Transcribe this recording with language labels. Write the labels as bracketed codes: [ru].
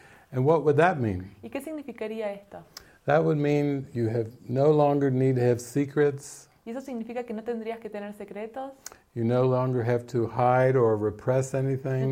[en] And what would that mean? [es] ¿Y qué significaría esto? [en] That would mean you have no longer need to have secrets. [es] ¿Y eso significa que no tendrías que tener secretos? [en] You no longer have to hide or repress anything.